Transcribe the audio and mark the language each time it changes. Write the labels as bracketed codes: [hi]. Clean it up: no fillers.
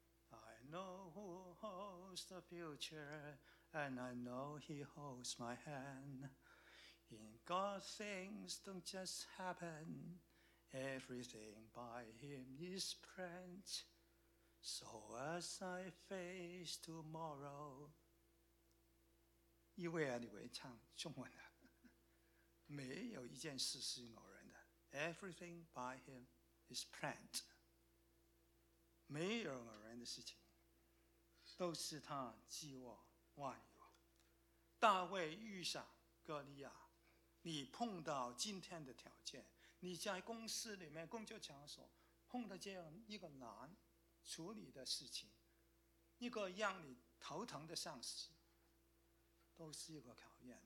[en] I know who holds the future, and I know he holds my hand. In God, things don't just happen. Everything by him is planned. So as I face tomorrow, [zh] 一位啊，你会唱中文的、啊、没有一件事是偶然的。 [en] Everything by him is planned. [zh] 没有偶然的事情，都是他计划万有。大卫遇上哥利亚，你碰到今天的条件，你在公司里面工作场所碰到这样一个难处理的事情，一个让你头疼的上司，都是一个考验。